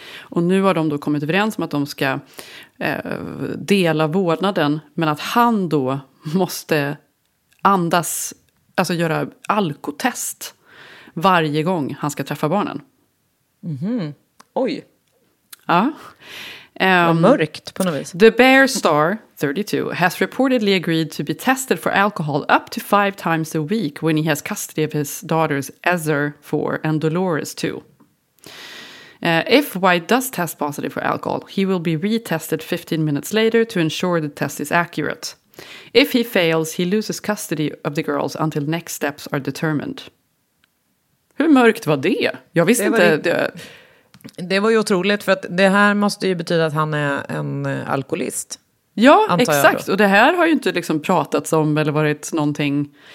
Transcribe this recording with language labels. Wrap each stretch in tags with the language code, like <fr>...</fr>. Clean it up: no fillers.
<sv>Och nu har de då kommit överens om att de ska dela vårdnaden, men att han då måste andas, alltså göra alkotest varje gång han ska träffa barnen. Mm-hmm. Oj. Ja. Mörkt på något vis.</sv> <en>The Bear star, 32, has reportedly agreed to be tested for alcohol up to 5 times a week when he has custody of his daughters Ezra, 4, and Dolores, 2. If White does test positive for alcohol, he will be retested 15 minutes later to ensure the test is accurate. If he fails, he loses custody of the girls until next steps are determined.</en> <sv>Hur mörkt var det? Jag visste inte... Det var ju otroligt, för att det här måste ju betyda att han är en alkoholist. Ja, exakt. Och det här har ju inte liksom pratats om eller varit någonting.</sv>